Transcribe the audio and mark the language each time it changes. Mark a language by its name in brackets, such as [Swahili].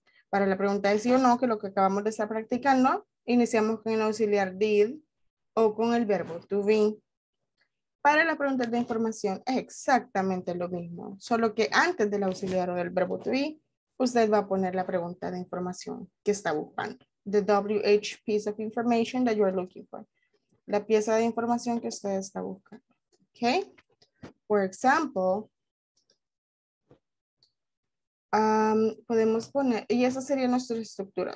[Spanish] Para la pregunta de sí o no, que es lo que acabamos de estar practicando, iniciamos con el auxiliar did o con el verbo to be. Para las preguntas de información es exactamente lo mismo, solo que antes del auxiliar o del verbo to be, usted va a poner la pregunta de información que está buscando. [English] The WH piece of information that you are looking for. [Spanish] La pieza de información que usted está buscando. Okay. [English] For example, [Spanish] podemos poner, y esa sería nuestra estructura.